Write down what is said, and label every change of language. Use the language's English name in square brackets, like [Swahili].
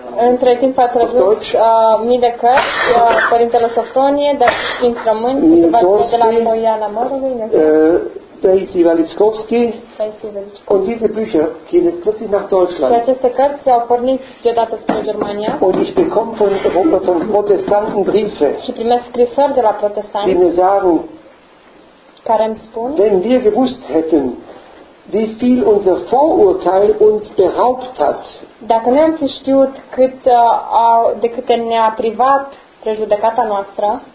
[Romanian] Între timp a tradus mii de cărți, Părintele Sofronie, dar și prin frământ, de la Poliana Mărului. Таисий Величковский. [German] Und diese Bücher gehen jetzt plötzlich nach Deutschland. Und ich bekomme von Europa von Protestanten Briefe, die mir sagen, wenn wir gewusst hätten, wie viel unser Vorurteil uns beraubt hat, [Romanian] dacă ne-am fi știut cât, de câte ne-a privat prejudecata noastră,